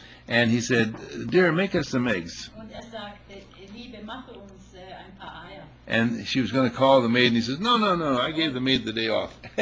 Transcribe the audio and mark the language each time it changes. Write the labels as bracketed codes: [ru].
[en] And he said, "Dear, make us some eggs." [de] Und sagte, "Liebe, mache uns ein paar Eier." [en] And she was going to call the maid, and he says, "No, no, no, I gave the maid the day off."